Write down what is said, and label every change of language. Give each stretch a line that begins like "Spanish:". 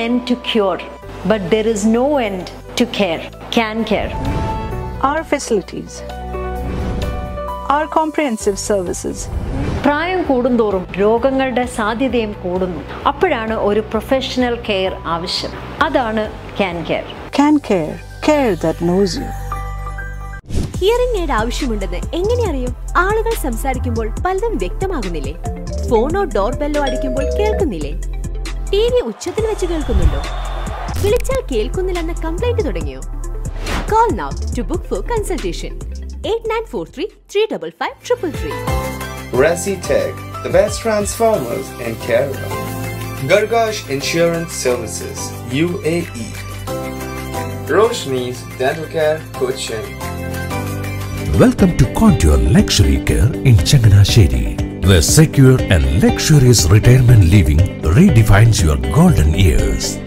English: To cure, but there is no end to care. Can care. Our facilities, our comprehensive services.
Malayalam: പ്രായം കൂടുന്തോറും രോഗങ്ങളുടെ സാധ്യതയും കൂടുന്നു. അപ്പോഴാണ് ഒരു പ്രൊഫഷണൽ കെയർ ആവശ്യം. അതാണ് Can Care.
English: Can Care, care that knows you.
Malayalam: Hearing aid ആവശ്യമുണ്ടെന്ന് എങ്ങനെ അറിയും? ആളുകൾ സംസാരിക്കുമ്പോൾ പലതും വ്യക്തമാകുന്നില്ലേ? ഫോണോ ഡോർ ബെല്ലോ അടിക്കുമ്പോൾ കേൾക്കുന്നില്ലേ? ടി വി ഉച്ചത്തിൽ വെച്ച് കേൾക്കുന്നുണ്ടോ? വിളിച്ചാൽ കേൾക്കുന്നില്ലെന്ന കംപ്ലൈന്റ് തുടങ്ങിയോ?
English: Call now to book for consultation 8943-355-333. Resi Tech, the best transformers in Kerala. Gargash insurance services UAE. Roshni's dental care Kochi. Welcome to Contour luxury care in Changanassery. The secure and luxurious retirement living redefines your golden years.